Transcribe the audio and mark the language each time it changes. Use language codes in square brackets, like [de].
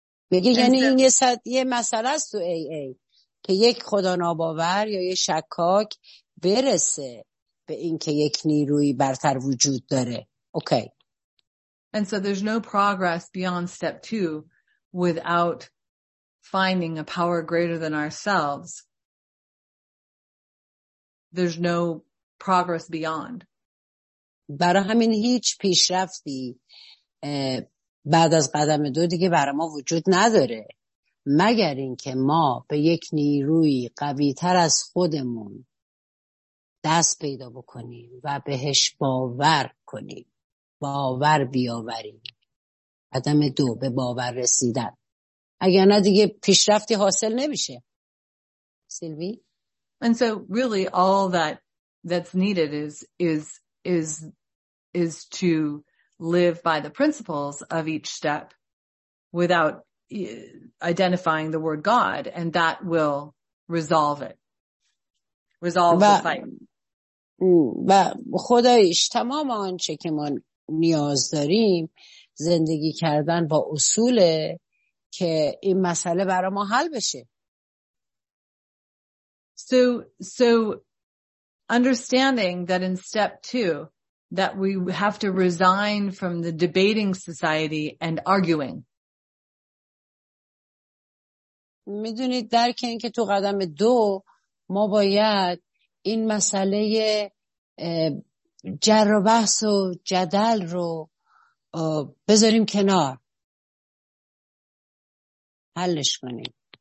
[fa] میگه یعنی این یه مسئله است تو AA که یک خدا ناباور یا یک شکاک برسه به این که یک نیروی برتر وجود داره. [en] Okay. And so there's no progress beyond step two without finding a power greater than ourselves. There's no progress beyond. [fa] برای همین هیچ پیشرفتی بعد از قدم دو دیگه برای ما وجود نداره، مگر اینکه ما به یک نیروی قوی تر از خودمون دست پیدا بکنیم و بهش باور کنیم، باور بیاوریم. قدم دو، به باور رسیدن. اگر نه دیگه پیشرفتی حاصل نمیشه. سیلوی؟ [en] And so really all that's needed is to live by the principles of each step without identifying the word God, and that will resolve the fight. [fa] و خدایش تمام آنچه که ما نیاز داریم زندگی کردن با اصوله که این مسئله برای ما حل بشه. [en] So understanding that in step two that we have to resign from the debating society and arguing. [fa] میدونید درک این که تو قدم دو ما باید این مسئله جر و بحث و جدل رو بذاریم کنار، حلش کنیم.